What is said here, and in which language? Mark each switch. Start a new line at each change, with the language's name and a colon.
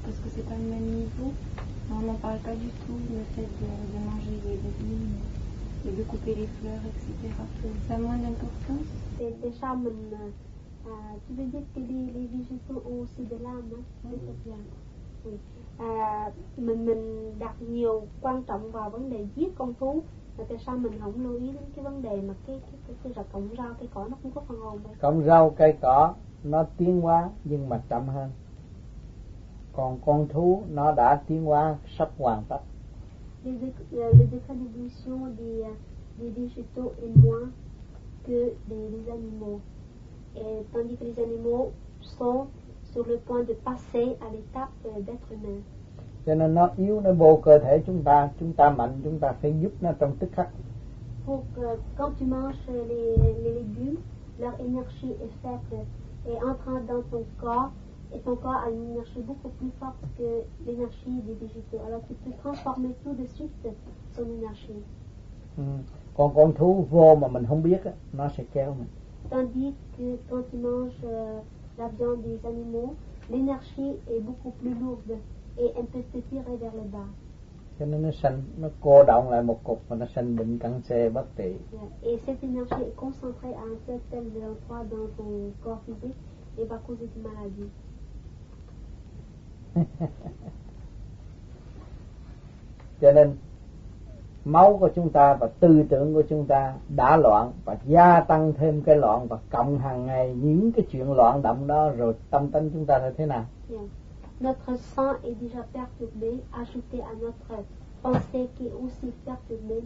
French: Parce que c'est pas le même niveau. On n'en parle pas du tout, le fait de manger les légumes et de couper les fleurs, etc. Ça a moins d'importance. C'est charme. Tu veux dire que les végétaux ont aussi de l'âme, hein? Oui.
Vietnamese: Mình đặt nhiều quan trọng vào vấn đề giết con thú, mà tại sao mình không lưu ý đến cái vấn đề mà cái rạc cọng rau cây cỏ nó cũng có phần hồn đấy. Cọng rau cây cỏ nó tiến hóa nhưng mà chậm hơn, còn con thú nó đã tiến hóa sắp hoàn tất.
French: Les évolutions des végétaux est moins que des animaux, et tandis que les animaux sont sur le point de passer à l'étape d'être humain.
Vietnamese: Cho nên nó yếu, nó vô cơ thể chúng ta mạnh, chúng ta phải giúp nó trong tức khắc.
French: Quand tu manges les légumes, leur énergie est faible et entre dans ton corps, et ton corps a une énergie beaucoup plus forte que l'énergie des végétaux. Alors tu peux transformer tout de suite son énergie.
Vietnamese: Còn con thú vô mà mình không biết, nó sẽ kéo mình.
French: Tandis que quand tu manges la viande des animaux, l'énergie est beaucoup plus lourde. Et elle peut se tirer vers le bas.
Vietnamese: Cho nên nó sanh, nó cô động lại một cục và nó sanh bệnh căn xê bất tỉ.
French: Et cette énergie est concentrée à un certain endroit dans ton corps physique et va causer des maladies.
Vietnamese: Cho nên máu của chúng ta và tư tưởng của chúng ta đã loạn và gia tăng thêm cái loạn và cộng hàng ngày những cái chuyện loạn động đó rồi tâm tính chúng ta là thế nào?
French: Notre sang est déjà perturbé, ajouté à notre pensée qui est aussi perturbée.